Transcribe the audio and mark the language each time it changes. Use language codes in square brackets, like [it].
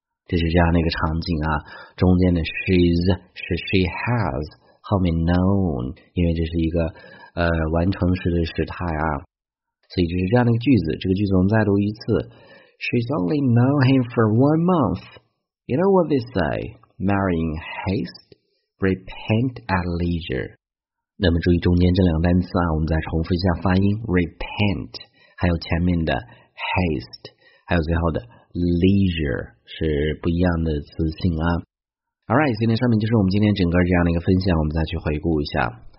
[zh] 这是这样的一个场景啊，中间的 she's 是 she has， 后面 known， 因为这是一个完成时的时态啊，所以这是这样的一个句子。这个句子我们再读一次 ： [en] She's only known him for 1 month. You know what they say: marry in haste, repent at leisure. [zh] 那么注意中间这两个单词啊，我们再重复一下发音 ：repent， 还有前面的 haste， 还有最后的 leisure。是不一样的词性啊。Alright， 今天上面就是我们今天整个这样的一个分享，我们再去回顾一下。